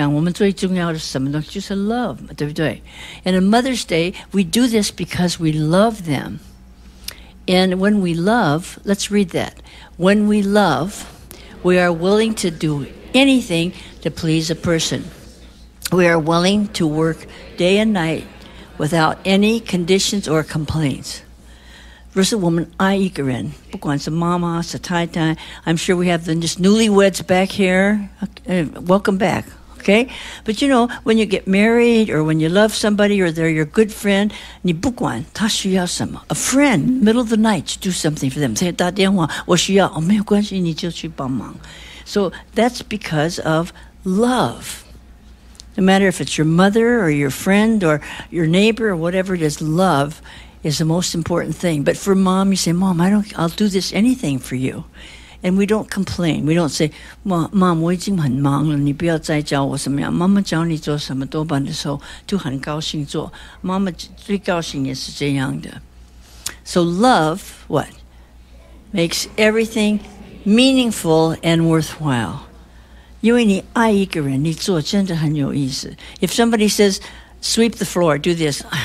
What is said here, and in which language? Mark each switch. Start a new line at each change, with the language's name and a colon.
Chinese: 昨天电视部也是开会，就讲我们最重要的是什么东西，就是love，对不对？
English: And on Mother's Day, we do this because we love them. And when we love, let's read that. When we love, we are willing to do anything to please a person. We are willing to work day and night without any conditions or complaints.
Chinese: 若是我们爱一个人，不管是妈妈，是太太，
English: I'm sure we have just newlyweds back here. Welcome back, okay? But you know, when you get married or when you love somebody or they're your good friend,
Chinese: 你不管他需要什么,
English: a friend, middle of the night, you do something for them.
Chinese: 打电话,我需要,没有关系,你就去帮忙.
English: So that's because of love. No matter if it's your mother or your friend or your neighbor or whatever it is, love is the most important thing. But for mom, you say, mom, I'll do this anything for you. And we don't complain. We don't say, mom,
Chinese: 我已经很忙了,你不要再教我什么样。妈妈教你做什么,多半的时候就很高兴做。妈妈最高兴也是这样的。
English: So love, what? Makes everything meaningful and worthwhile.
Chinese: 因为你爱一个人,你做真的很有意思。
English: If somebody says, sweep the floor, do this.